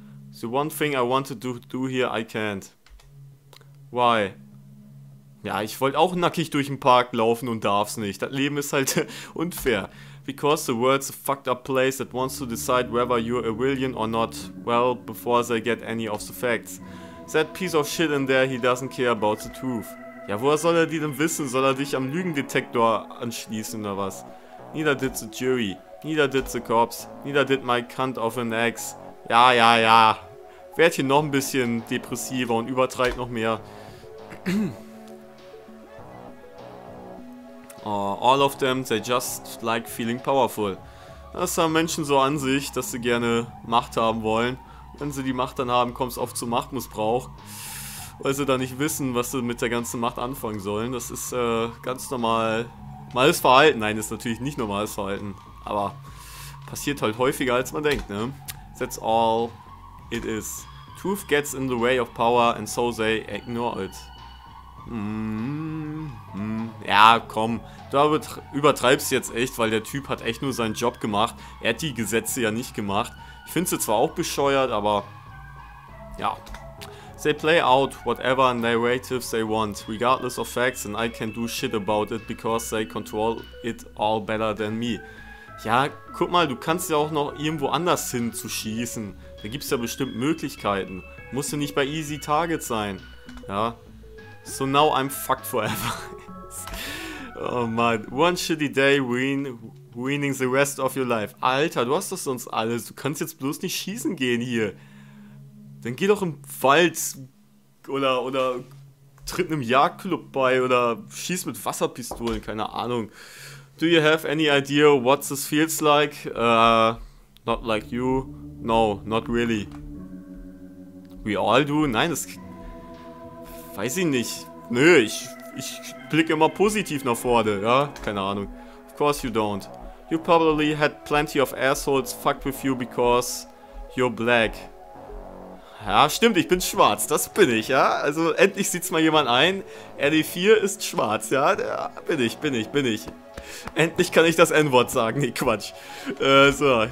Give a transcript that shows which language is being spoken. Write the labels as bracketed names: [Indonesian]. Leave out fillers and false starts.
[English] The one thing I wanted to do here, I can't. Why? [German] Ja, ich wollte auch nackig durch den Park laufen und darf's nicht. Das Leben ist halt unfair. [English] Because the world's a fucked up place that wants to decide whether you're a villain or not. Well, before they get any of the facts. That piece of shit in there, he doesn't care about the truth. [German] Ja, woher soll er die denn wissen? Soll er dich am Lügendetektor anschließen oder was? [English] Neither did the jury. Neither did the cops. Neither did my cunt of an ex. [German] Ja. Werd hier noch ein bisschen depressiver und übertreibt noch mehr. [English] All of them, they just like feeling powerful. [German] Das haben Menschen so an sich, dass sie gerne Macht haben wollen. Wenn sie die Macht dann haben, kommt es oft zu Machtmissbrauch. Weil sie dann nicht wissen, was sie mit der ganzen Macht anfangen sollen. Das ist ganz normales Verhalten. Nein, das ist natürlich nicht normales Verhalten. Aber passiert halt häufiger, als man denkt, ne? [English] That's all it is. Truth gets in the way of power and so they ignore it. [German] Ja, komm, du übertreibst jetzt echt, weil der Typ hat echt nur seinen Job gemacht. Er hat die Gesetze ja nicht gemacht. Ich finde sie zwar auch bescheuert, aber ja. [English] They play out whatever narratives they want, regardless of facts, and I can do shit about it, because they control it all better than me. [German] Ja, guck mal, du kannst ja auch noch irgendwo anders hin zu schießen. Da gibt's ja bestimmt Möglichkeiten. Musst du nicht bei Easy Target sein. Ja. [English] So now I'm fucked forever. Oh man. One shitty day ruining the rest of your life. [German] Alter, du hast das sonst alles. Du kannst jetzt bloß nicht schießen gehen hier. Dann geh doch im Wald oder tritt einem Jagdclub bei oder schieß mit Wasserpistolen, keine Ahnung. [English] Do you have any idea what this feels like? Not like you. No, not really. We all do. [German] Nein, das weiß ich nicht. Nö, ich blicke immer positiv nach vorne, ja? Keine Ahnung. [English] Of course you don't. You probably had plenty of assholes fucked with you because you're black. [German] Ja, stimmt, ich bin schwarz. Das bin ich, ja? Also endlich sieht's mal jemand ein. RD4 ist schwarz, ja? Ja, bin ich. Endlich kann ich das N-Wort sagen. Nee, Quatsch. So.